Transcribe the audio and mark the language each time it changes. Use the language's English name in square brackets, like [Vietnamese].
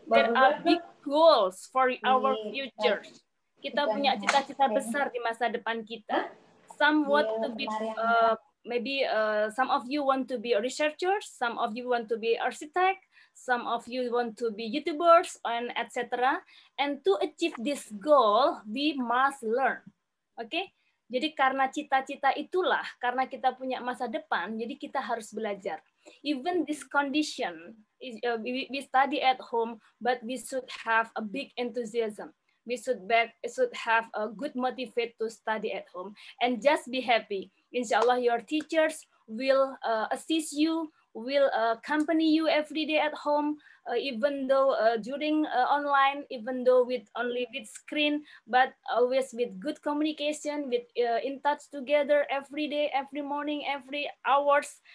[English] There are big goals for our future. [Indonesian] Kita punya cita-cita besar di masa depan kita. [English] Some want to be, maybe some of you want to be a researcher, some of you want to be architect, some of you want to be YouTubers, and etc. And to achieve this goal, we must learn. Okay? [Indonesian] Jadi karena cita-cita itulah, karena kita punya masa depan, jadi kita harus belajar. [English] Even this condition, we study at home, but we should have a big enthusiasm. We should have a good motivate to study at home and just be happy. Insyaallah, your teachers will assist you, will accompany you every day at home, even though during online, even though with only with screen, but always with good communication, with in touch together every day, every morning, every hours.